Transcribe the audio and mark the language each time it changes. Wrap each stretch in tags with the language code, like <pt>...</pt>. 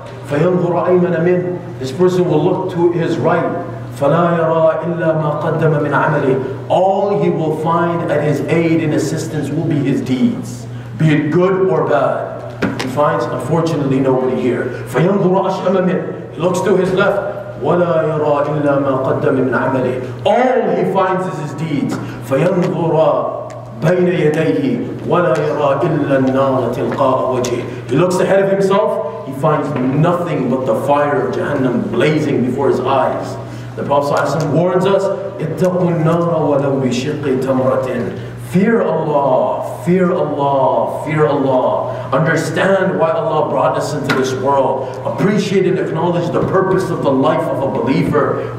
<ar>فَيَنْظُرَ أَيْمَنَ مِنْ</ar> <en>This person will look to his right.</en> <ar>فَلَا يَرَى إِلَّا مَا قَدَّمَ مِنْ عَمَلِهِ</ar> <en>All he will find at his aid and assistance will be his deeds, be it good or bad. He finds, unfortunately, nobody here.</en> <ar>فَيَنْظُرَ أَشْأَمَ مِنْ</ar> <en>He looks to his left.</en> <ar>وَلَا يَرَى إِلَّا مَا قَدَّمَ مِنْ عَمَلِهِ</ar> <en>All he finds is his deeds.</en> <ar>فَيَنْظُرَ بَيْنَ يَدَيْهِ وَلَا يَرَى إِلَّا النَّارَ تِلْقَاءَ وَجِهِ</ar> <en>He looks ahead of himself. He finds nothing but the fire of Jahannam blazing before his eyes. The Prophet ﷺ warns us,</en> <ar>اتَّقُوا النَّارَ وَلَوْ بِشِقِّ تَمْرَةٍ</ar> <en>Fear Allah, fear Allah, fear Allah. Understand why Allah brought us into this world. Appreciate and acknowledge the purpose of the life of a believer.</en>